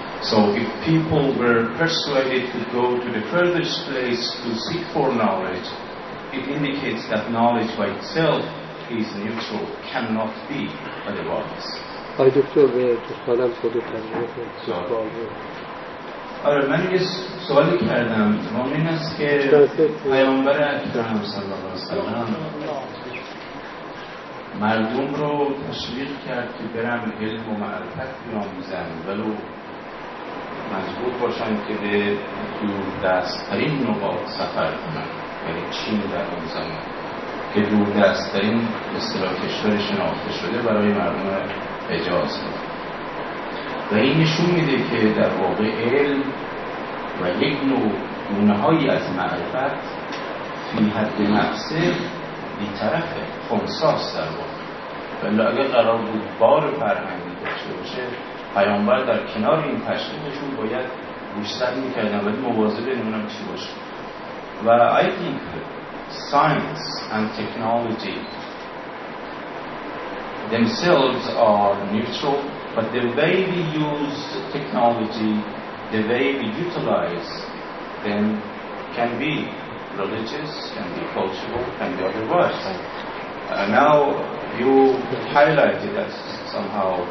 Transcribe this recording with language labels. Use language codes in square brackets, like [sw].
[en] So if people were persuaded to go to the furthest place to seek for knowledge, it indicates that knowledge by itself is neutral, cannot be otherwise. I just wanted to follow up for the question. [fa] آره من یه سوالی کردم مهم این است که پیامبر اکرم صلی الله علیه و سلم مردم رو تشویق کرد که برن علم و معرفت بیاموزن ولو مجبور باشن که به دوردست‌ترین نقاط سفر کنن، یعنی چین در اون زمان که دوردست‌ترین اصطلاح کشور شناخته شده برای مردم حجاز بود، و این نشون میده که در واقع علم و یک نوع گونه‌هایی از معرفت فی حد نفسه بی‌طرفه، خنثاست در واقع. ولی اگر قرار بود بار فرهنگی داشته باشه پیامبر در کنار این تشریفشون باید گوشزد میکردن، ولی مواظب نمونم چی باشه. [en] و I think science and technology themselves are neutral, but the way we use technology, the way we utilize them, can be religious, can be cultural, can be otherwise. Now you highlighted that somehow